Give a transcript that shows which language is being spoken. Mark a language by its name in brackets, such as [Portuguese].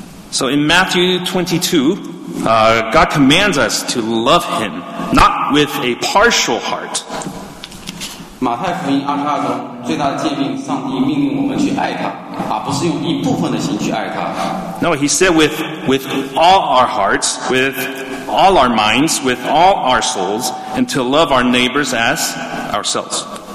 [English] So in Matthew 22, God commands us to love him, not with a partial heart. [Chinese] 马太福音22章最大的诫命，上帝命令我们去爱他，而不是用一部分的心去爱他。 [English] No, he said with all our hearts, with all our minds, with all our souls, and to love our neighbors as ourselves.